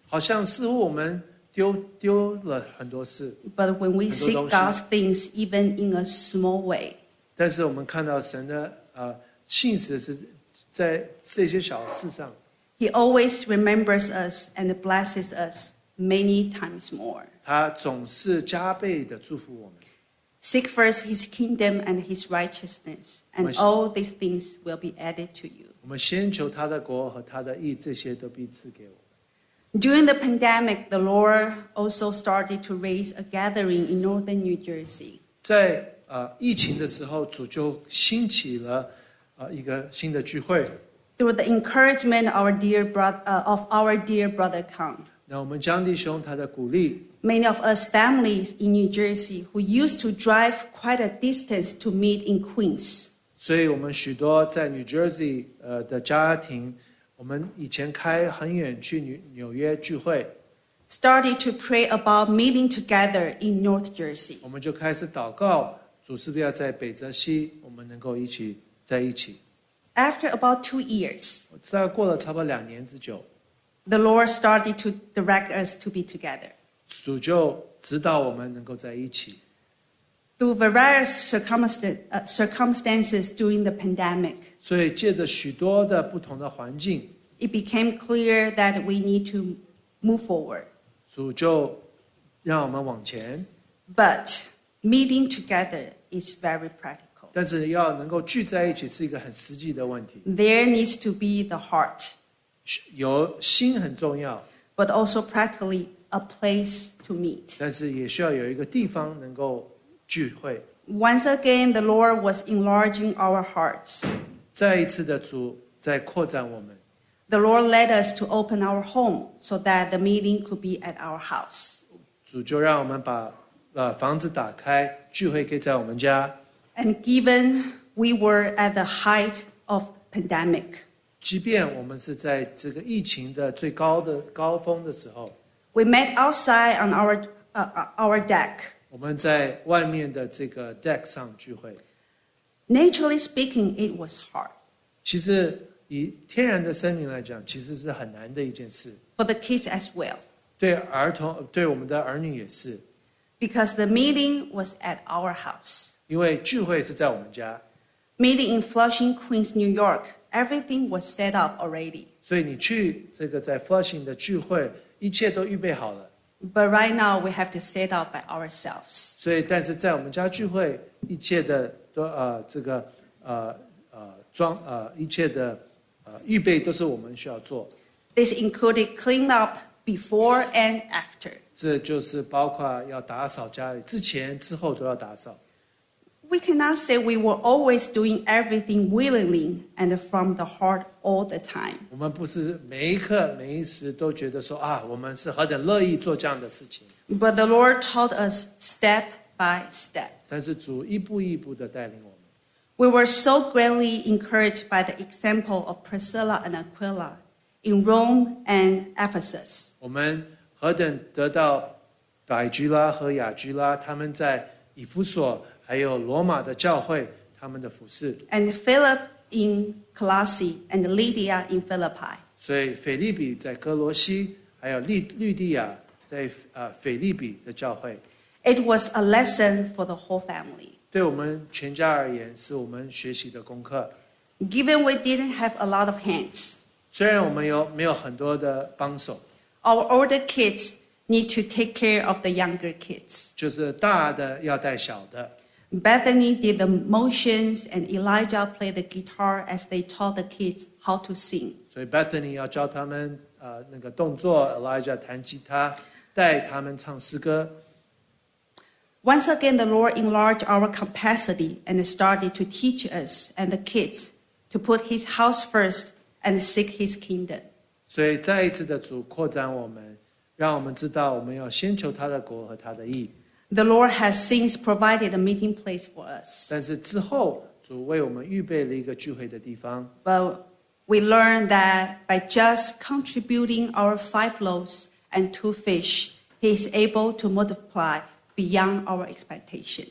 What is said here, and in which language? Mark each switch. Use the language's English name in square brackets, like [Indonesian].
[Chinese] 好像似乎我们丢了很多事。 [English] But when we see God's things, even in a small way， [Chinese] 但是我们看到神的信实是在这些小事上。 [English] He always remembers us and blesses us many times more。 [Chinese] 他总是加倍的祝福我们。 [English] Seek first His kingdom and His righteousness, and all these things will be added to you. [Chinese] 我们先求他的国和他的义，这些都必赐给我们。 [English] During the pandemic, the Lord also started to raise a gathering in northern New Jersey. [Chinese] 在疫情的时候，主就兴起了一个新的聚会。 [English] Through the encouragement of our dear brother Kang. [Chinese] 那我们江弟兄他的鼓励。 [English] Many of us families in New Jersey who used to drive quite a distance to meet in Queens. [Chinese] 所以我们许多在 New Jersey 的家庭，我们以前开很远去纽约聚会。 [English] Started to pray about meeting together in North Jersey. [Chinese] 我们就开始祷告，主是不是要在北泽西，我们能够一起在一起。 [English] After about 2 years. [Chinese] 大概过了差不多两年之久。 [English] The Lord started to direct us to be together. [Chinese] 主就指导我们能够在一起。 [English] Through various circumstances during the pandemic. [Chinese] 所以借着许多的不同的环境。 [English] It became clear that we need to move forward. [Chinese] 主就让我们往前。 [English] But meeting together is very practical. [Chinese] 但是要能够聚在一起是一个很实际的问题。 [English] There needs to be the heart. [Chinese] 有心很重要 [English] ，but also practically a place to meet. [Chinese] 但是也需要有一个地方能够聚会。 [English] Once again, the Lord was enlarging our hearts. [Chinese] 再一次的主在扩展我们。 [English] The Lord led us to open our home so that the meeting could be at our house. [Chinese] 主就让我们把房子打开，聚会可以在我们家。 [English] And given we were at the height of the pandemic. [Chinese] 即便我们是在这个疫情的最高峰的时候 [English] ，We met outside on our deck. [Chinese] 我们在外面的这个 deck 上聚会。 [English] Naturally speaking, it was hard. [Chinese] 其实以天然的生命来讲，其实是很难的一件事。 [English] For the kids as well. [Chinese] 对儿童，对我们的儿女也是。 [English] Because the meeting was at our house. [Chinese] 因为聚会是在我们家。 [English] Meeting in Flushing, Queens, New York. Everything was set up already. [Chinese] 所以你去这个在 Flushing 的聚会，一切都预备好了。 [English] But right now we have to set up by ourselves. [Chinese] 所以，但是在我们家聚会，一切的都这个装一切的预备都是我们需要做。 [English] This included clean up before and after. [Chinese] 这就是包括要打扫家里，之前之后都要打扫。 [English] We cannot say we were always doing everything willingly and from the heart all the time. [Chinese] 我们不是每一刻每一时都觉得说啊，我们是何等乐意做这样的事情。 [English] But the Lord taught us step by step. [Chinese] 但是主一步一步地带领我们。 [English] We were so greatly encouraged by the example of Priscilla and Aquila in Rome and Ephesus. [Chinese] 我们何等得到百居拉和雅居拉他们在以弗所还有罗马的教会他们的服事。 [English] And Philip in Colossae and Lydia in Philippi. [Chinese] 所以腓立比在哥罗西还有律地亚在腓立比的教会。 [English] It was a lesson for the whole family. [Chinese] 对我们全家而言是我们学习的功课。 [English] Given we didn't have a lot of hands. [Chinese] 虽然我们没有很多的帮手。 [English] Our older kids need to take care of the younger kids. [Chinese] 就是大的要带小的。 [English] Bethany did the motions and Elijah played the guitar as they taught the kids how to sing. [Chinese] 所以 Bethany 要教他们那个动作 ,Elijah 弹吉他带他们唱诗歌。 [English] Once again, the Lord enlarged our capacity and started to teach us and the kids to put his house first and seek his kingdom. [Chinese] 所以再一次的主扩展我们让我们知道我们要先求他的国和他的义。 [English] The Lord has since provided a meeting place for us. [Chinese] 但是之后主为我们预备了一个聚会的地方。 [English] But we learned that by just contributing our 5 loaves and 2 fish, he is able to multiply beyond our expectations.